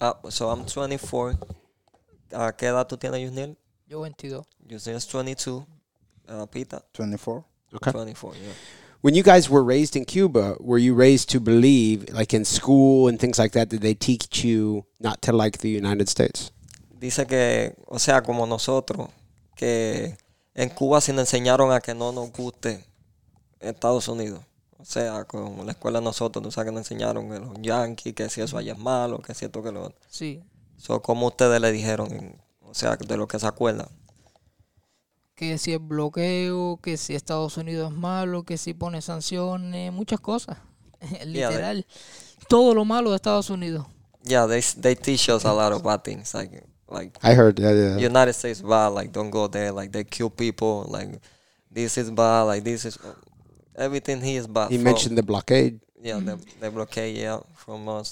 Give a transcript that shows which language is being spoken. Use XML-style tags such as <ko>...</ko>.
<en>So I'm 24.</en> <es>¿Qué edad tú tienes, Yusniel? Yo 22.</es> <en>Yusniel's 22. Pita? 24. Okay. 24, yeah. When you guys were raised in Cuba, were you raised to believe, in school and things like that, did they teach you not to like the United States?</en> <es>Dice que, o sea, como nosotros, que en Cuba se nos enseñaron a que no nos guste Estados Unidos. O sea, con la escuela de nosotros, tú sabes que nos enseñaron que los yanquis, que si eso allá es malo, que si esto que lo otro. Sí. So, ¿cómo ustedes le dijeron, o sea, de lo que se acuerdan? Que si el bloqueo, que si Estados Unidos es malo, que si pone sanciones, muchas cosas. Literal. Yeah, todo lo malo de Estados Unidos.</es> <en>Yeah, they teach us a lot of bad things. I heard, yeah. United States is bad, don't go there, they kill people, this is bad, this is... Everything he is bad. He mentioned the blockade. Yeah, the blockade, yeah, from us.</en>